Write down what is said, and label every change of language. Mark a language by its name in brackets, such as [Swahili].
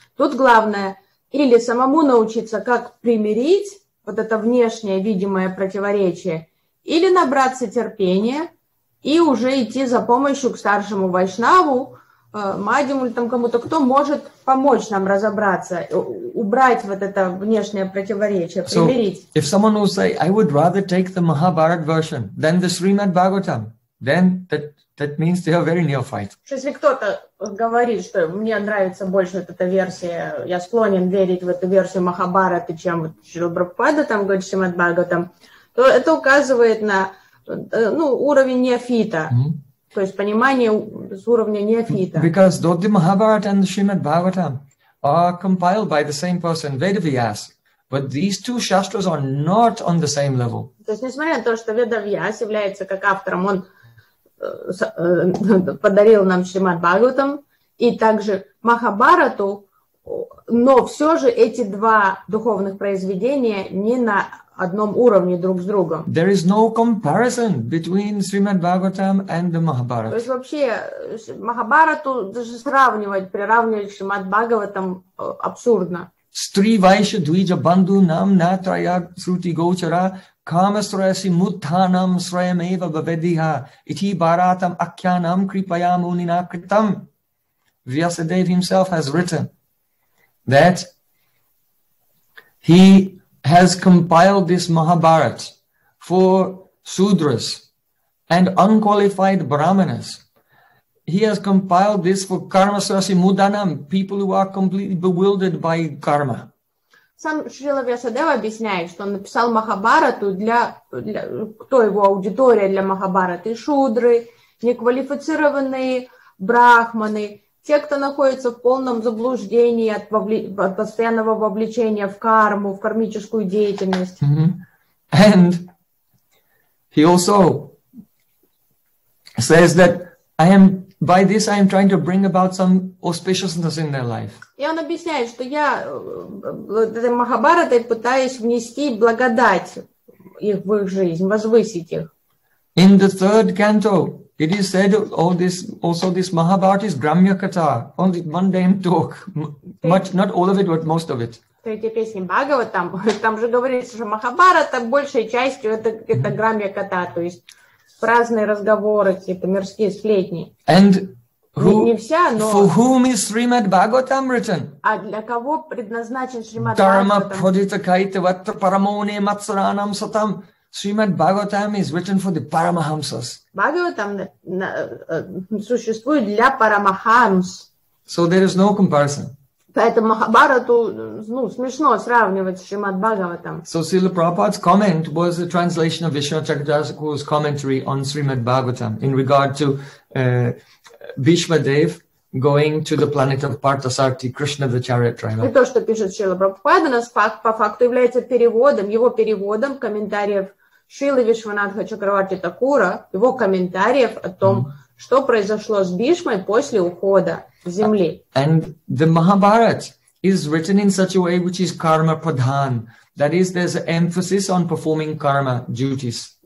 [Russian] Тут главное или самому научиться, как примирить вот это внешнее видимое противоречие, или набраться терпения и уже идти за помощью к старшему вайшнаву, мадиму или там кому-то, кто может помочь нам разобраться, убрать вот это внешнее противоречие, примирить. [English] So, if someone will say, I would rather take the Mahabharata version than the Srimad Bhagavatam, then that means they are very neophyte. [Russian] Если кто-то говорит, что мне нравится больше вот эта версия, я склонен верить в эту версию Махабхараты, чем вот Шрилбрахупада там говорит Шримад Бхагаватам, то это указывает на уровень неофита. Mm-hmm. То есть понимание с уровня неофита. [English] Because though the Mahabharata and the Srimad Bhagavatam are compiled by the same person, Vedavyas, but these two shastras are not on the same level. [Russian] То есть несмотря на то, что Vedavyas является как автором, он подарил нам Шримад Бхагаватам и также Махабарату, но все же эти два духовных произведения не на одном уровне друг с другом. [English] There is no comparison between Srimad Bhagavatam and the Mahabharata. [Russian] То есть вообще Махабарату даже сравнивать, приравнивать Шримад Бхагаватам абсурдно. [Sanskrit] Стри вайша двиджа банду нам на трая срути гочара кама срояси мутханам сраям эва бабедиха ити баратам акьянам крипаям унинакритам. [English] Vyasadeva himself has written that he has compiled this Mahabharata for Sudras and unqualified Brahmanas. He has compiled this for Karma Sarasi Mudanam, people who are completely bewildered by karma. [Russian] Сам Шрила Вьясадева объясняет, что он написал Махабарату для кто его аудитория для Махабараты? Шудры, неквалифицированные брахманы, те, кто находится в полном заблуждении от постоянного вовлечения в карму, в кармическую деятельность. Mm-hmm. [English] And he also says that by this I am trying to bring about some auspiciousness in their life. [Russian] И он объясняет, что я Махабаратой пытаюсь внести благодать их в их жизнь, возвысить их. [English] In the third canto, it is said all this, also this Mahabharata is Gramya Katha, only mundane talk, much, not all of it, but most of it. [Russian] Третья песня Бхагаватам, там же говорится, что Махабарата большей частью это Грамья Катха, то есть праздные разговоры, какие-то мирские сплетни. [English] And who, [Russian] не вся, но... [English] for whom is Srimad Bhagavatam written? [Russian] А для кого предназначен Srimad [Sanskrit] Bhagavatam? Dharma Prodita Kaita Vatra Paramone Matsaranam Satam. [English] Srimad Bhagavatam is written for the Paramahamsas. [Russian] Bhagavatam существует для Paramahams. [English] So there is no comparison. [Russian] Поэтому Махабарату, смешно сравнивать с Шримад Бхагаватам. [English] So Srila Prabhupada's comment was a translation of Vishnu Chakravarti's commentary on Srimad Bhagavatam in regard to Bhishma Dev going to the planet of Partasarthi, Krishna the chariot driver. [Russian] Это то, что пишет Шрила Прабхупада, нас по факту является переводом, его переводом комментариев Шрилы Вишванатха Чакраварти Такура, его комментариев о том, что произошло с Бишмой после ухода с земли. [English] And the Mahabharata is written in such a way which is karma pradhan. That is, there's an emphasis on performing karma duties.